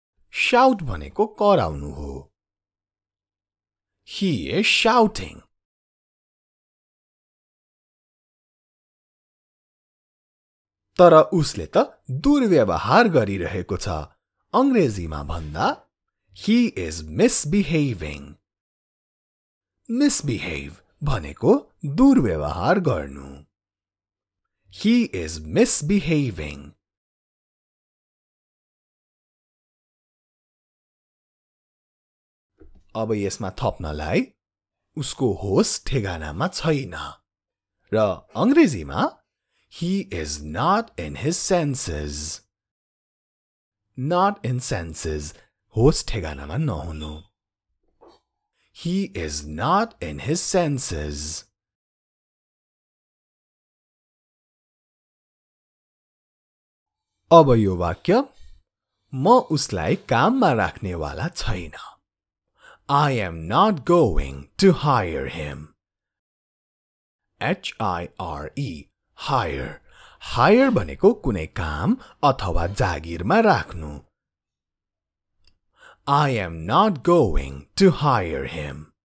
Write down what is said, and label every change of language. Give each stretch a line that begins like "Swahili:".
Nepali: Shout भनेको कराउनु हो.
English: He is shouting.
Nepali: तर उसले त दुर्व्यवहार गरिरहेको छ. अंग्रेजीमा भन्दा
English: He is misbehaving.
Nepali: Misbehave भनेको दुर्व्यवहार गर्नु.
English: He is misbehaving.
Nepali: अब यसमा थप्नलाई उसको होस ठेगानामा छैन र अंग्रेजीमा
English: He is not in his senses. Not in senses.
Nepali: होस ठेगानामा नहुनु.
English: He is not in his senses.
Nepali: अब यो वाक्य म उसलाई काममा राख्नेवाला छैन.
English: I am not going to hire him. H-I-R-E, hire.
Nepali: Hire भनेको कुनै काम अथवा जागिरमा राख्नु.
English: I am not going to hire him.